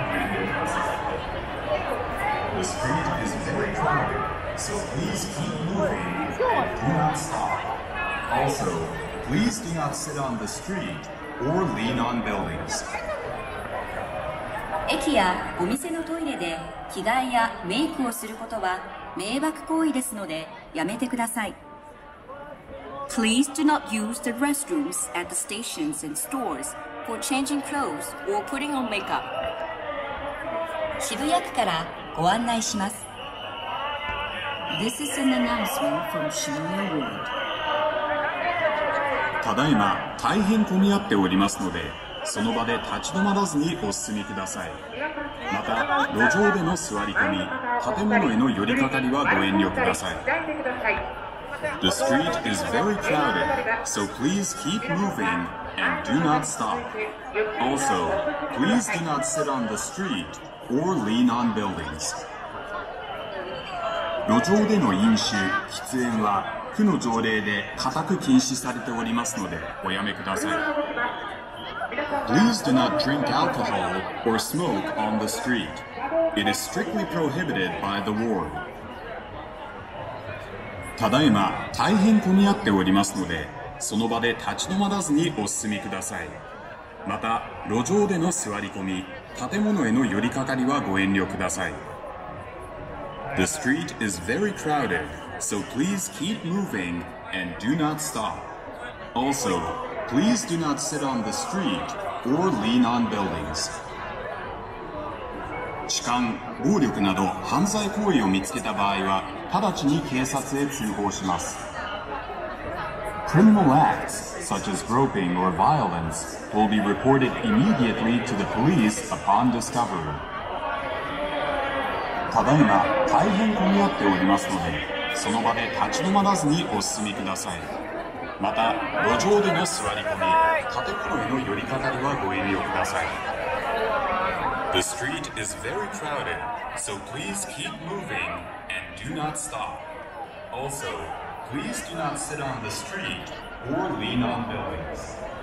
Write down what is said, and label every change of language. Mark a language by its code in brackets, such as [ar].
[en] The street is very crowded, so please keep moving and do not stop. Also, please do not sit on the street or lean on buildings. [ja] 駅やお店のトイレで着替えやメイクをすることは迷惑行為ですのでやめてください。 [en] Please do not use the restrooms at the stations and stores for changing clothes or putting on makeup. [ja] 渋谷区からご案内します。 [en] This is an announcement from Shibuya Ward. [ja] ただいま大変混み合っておりますので、その場で立ち止まらずにお進みください。また路上での座り込み、建物への寄りかかりはご遠慮ください。 [en] The street is very crowded, so please keep moving and do not stop. Also, please do not sit on the street or lean on buildings. [ja] 路上での飲酒、喫煙は区の条例で固く禁止されておりますのでおやめください。 [en] Please do not drink alcohol or smoke on the street. It is strictly prohibited by the ward. [ja] ただいま大変混み合っておりますので、その場で立ち止まらずにお進みください。また路上での座り込み、建物への寄りかかりはご遠慮ください。 [en] The street is very crowded, so please keep moving and do not stop. Also,Please do not sit on the street or lean on buildings. [ja] 痴漢、暴力など犯罪行為を見つけた場合は、直ちに警察へ通報します。 [en] Criminal acts such as groping or violence will be reported immediately to the police upon discovery. [ja] ただいま大変混み合っておりますので、その場で立ち止まらずにお進みください。また路上での座り込み、建物への寄りかかりはご遠慮ください。 [en] The street is very crowded, so please keep moving and do not stop. Also, please do not sit on the street or lean on buildings.